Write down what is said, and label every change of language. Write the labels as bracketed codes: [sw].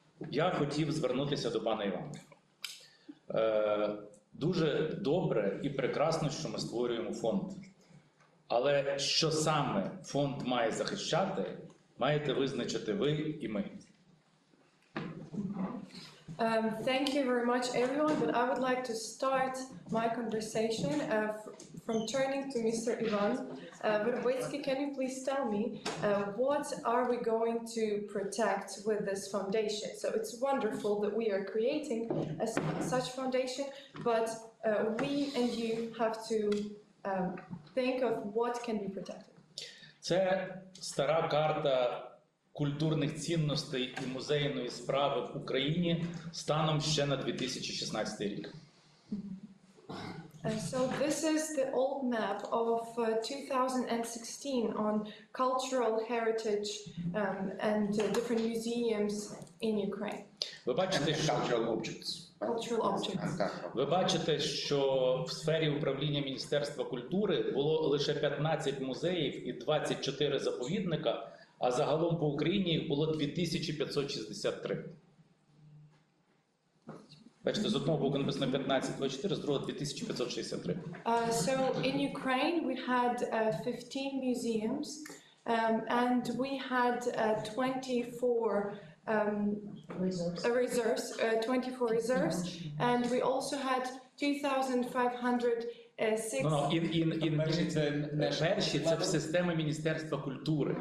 [uk] Я хотів звернутися до пана Івана. Дуже добре і прекрасно, що ми створюємо фонд. Але що саме фонд має захищати, маєте визначити ви і ми. [en] Thank you very much, everyone. But I would like to start my conversation from turning to Mr. Ivan Verbitsky. Can you please tell me what are we going to protect with this foundation? So it's wonderful that we are creating a such foundation, but we and you have to think of what can be protected. [uk] Це стара карта культурних цінностей і музейної справи в Україні станом ще на 2016 рік. [en] So this is the old map of 2016 on cultural heritage and different museums in Ukraine. [uk] Ви бачите, що [en] cultural objects. Cultural objects. [uk] Ви бачите, що в сфері управління Міністерства культури було лише 15 музеїв і 24 заповідника. А загалом по Україні їх було 2563. Бачите, з одного боку написано 1524, з другого 2563. [en] So in Ukraine we had 15 museums and we had 24 reserves and we also had 2500 No, in [uk] перші це в системи Міністерства культури.